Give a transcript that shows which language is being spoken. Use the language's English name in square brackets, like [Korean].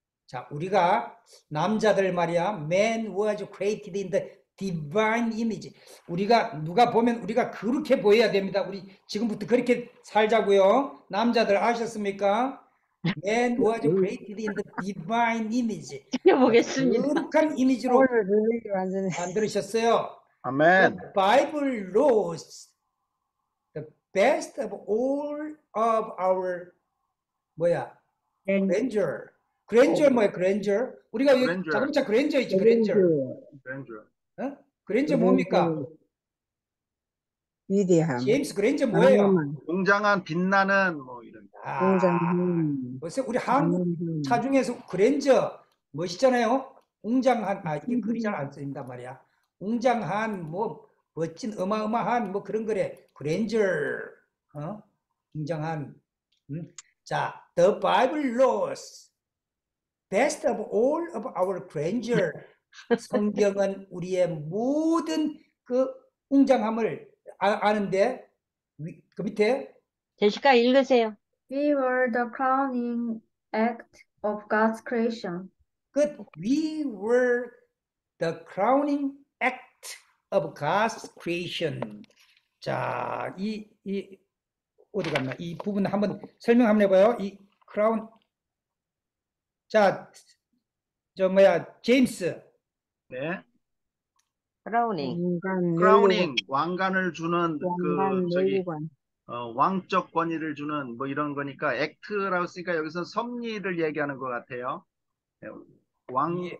[Korean] 자, 우리가 남자들 말이야, [English] man was created in the divine image. [Korean] 우리가 누가 보면 우리가 그렇게 보여야 됩니다. 우리 지금부터 그렇게 살자고요. 남자들 아셨습니까? [English] Man was created in the divine image. [Korean] 지켜보겠습니다. 거룩한 이미지로 만드셨어요. [English] Amen. The Bible knows the best of all of our [Korean] 뭐야? Grandeur. Grandeur 뭐야? Grandeur. 우리가 여기 Grandeur. 자동차 Grandeur 있지? Grandeur. [English] Grandeur. [Korean] 어? Grandeur 뭡니까? 위대함. James Grandeur 뭐예요? 웅장한 빛나는 뭐 이런. 웅장한. 벌써 우리 한국 차 중에서 Grandeur 멋있잖아요. 웅장한. 아 이게 글이 잘 안 쓰인다 말이야. 웅장한 뭐 멋진 어마어마한 뭐 그런 거래. [English] Grandeur. [Korean] 어? 웅장한. 자, [English] The Bible knows best of all of our grandeur. [Korean] 성경은 우리의 모든 그 웅장함을 아는데 그 밑에 제시카 읽으세요. [English] We were the crowning act of God's creation. [Korean] 끝. [English] We were the crowning act of God's creation. [Korean] 자, 이 어디 갔나? 이 부분 한번 설명 한번 해봐요. 이 crown. 자, 저 뭐야, 제임스. 네. [English] Crowning. [Korean] 크라우닝, 왕관을 주는 왕관, 그 저기 왕적 권위를 주는 뭐 이런 거니까 act라고 쓰니까 여기서 섭리를 얘기하는 것 같아요. 왕 예.